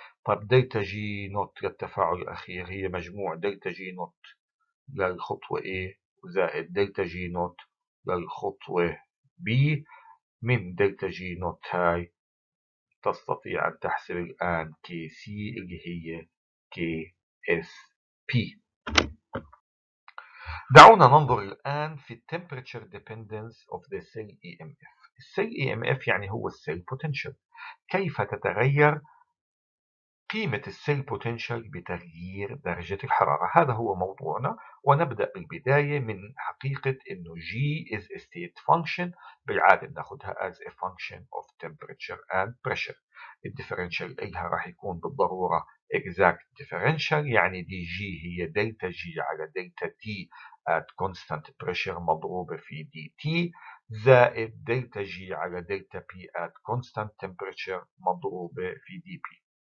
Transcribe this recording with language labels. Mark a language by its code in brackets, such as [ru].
[ar] طب دلتا جي نوت للتفاعل الأخير هي مجموع دلتا جي نوت للخطوة A وزائد دلتا جي نوت للخطوة B. من دلتا جي نوت هاي تستطيع أن تحسب الآن كي سي اللي هي KSP. دعونا ننظر الآن في [en] temperature dependence of the cell EMF. cell EMF [ar] يعني هو [en] cell potential. [ar] كيف تتغير قيمة cell potential بتغيير درجة الحرارة؟ هذا هو موضوعنا، ونبدأ بالبداية من حقيقة إنه [en] G is a state function. [ar] بالعادة نأخذها [en] as a function of temperature and pressure. The differential [ar] إلها راح يكون بالضرورة [en] exact differential، [ar] يعني dg هي دلتا g على دلتا t [en] at constant pressure [ar] مضروبة في dt، زائد دلتا g على دلتا p [en] at constant temperature [ar] مضروبة في dp.